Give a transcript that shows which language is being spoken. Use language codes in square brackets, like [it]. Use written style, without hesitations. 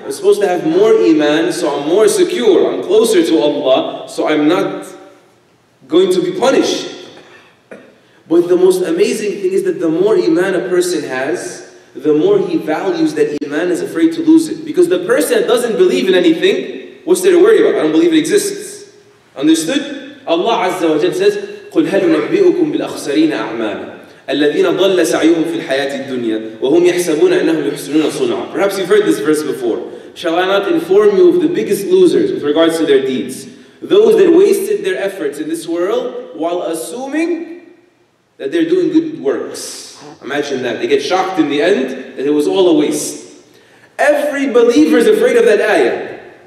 [en] I'm supposed to have more iman, so I'm more secure. I'm closer to Allah, so I'm not going to be punished. But the most amazing thing is that the more iman a person has, the more he values that iman is afraid to lose it. Because the person that doesn't believe in anything, what's there to worry about? I don't believe it exists. Understood? Allah Azza wa Jalla says, [ar] قُلْ هَلْ نُنَبِّئُكُمْ بِالْأَخْسَرِينَ أَعْمَالًا الَّذِينَ ضَلَّ سَعْيُهُمْ فِي الْحَيَاةِ الدُّنْيَا وَهُمْ يَحْسَبُونَ أَنَّهُمْ يُحْسِنُونَ صُنْعًا. [en] Perhaps you've heard this verse before. Shall I not inform you of the biggest losers with regards to their deeds? Those that wasted their efforts in this world while assuming that they're doing good works. Imagine that. They get shocked in the end that it was all a waste. Every believer is afraid of that ayah.